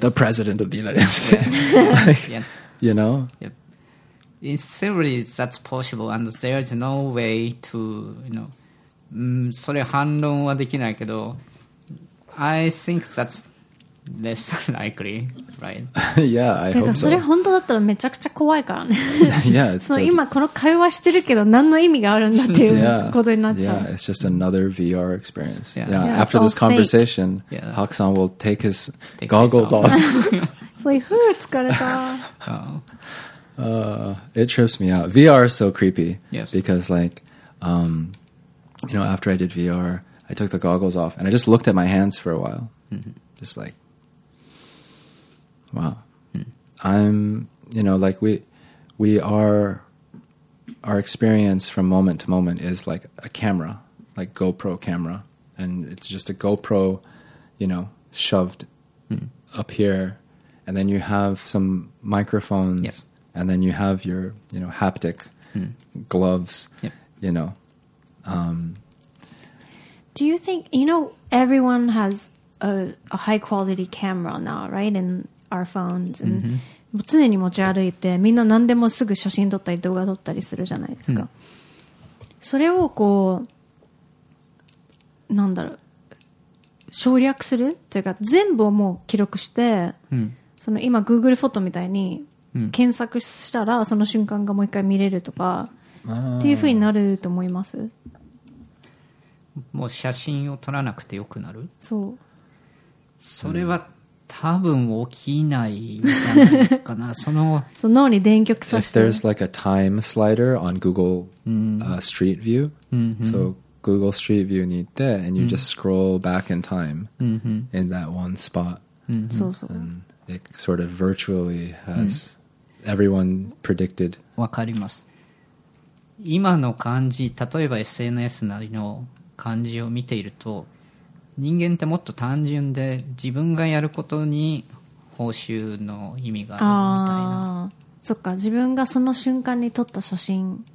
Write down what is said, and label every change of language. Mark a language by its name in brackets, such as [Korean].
[English] the president of the United States. Yeah. Like, yeah. You know? Yep. In theory, that's possible, and there is no way to, you know, [Japanese] それ反論はできないけど、 [English] I think that's less likely, right? Yeah, I hope so. [Japanese] それ本当だったらめちゃくちゃ怖いからね。 [English] Yeah, it's [Japanese] その今この会話してるけど何の意味があるんだっていうことになっちゃう。 [English] Yeah, it's just another VR experience. Yeah, yeah after this conversation, Hak-san will take his goggles off. It's like, [Japanese] ふう、疲れた。 [English] It trips me out. VR is so creepy. Yes. Because like, you know, after I did VR, I took the goggles off and I just looked at my hands for a while. Mm-hmm. Just like, wow. Mm. I'm, you know, like we are, our experience from moment to moment is like a camera, like GoPro camera. And it's just a GoPro, you know, shoved up here. And then you have some microphones. Yes. And then you have your, you know, haptic gloves, yep. you know. Do you think, you know, everyone has a high quality camera now, right? In our phones. And [Japanese] もう常に持ち歩いて、みんな何でもすぐ写真撮ったり動画撮ったりするじゃないですか。それをこう、なんだろう、省略するというか、全部をもう記録して、その今 Google フォトみたいに、検索したらその瞬間がもう一回見れるとかっていう風になると思います？もう写真を撮らなくてよくなる？そう。それは多分起きないんじゃないかな。その脳に電極させて。 [English] If there's like a time slider on Google Street View, so Google Street View [Japanese] に行って [English] and you just scroll back in time in that one spot. [Japanese] そうそう。 [English] It sort of virtually has everyone predicted. [Japanese] わかります。今の感じ、例えば SNS なりの感じを見ていると、人間ってもっと単純で自分がやることに報酬の意味があるみたいな。ああ、そっか。自分がその瞬間に撮った写真。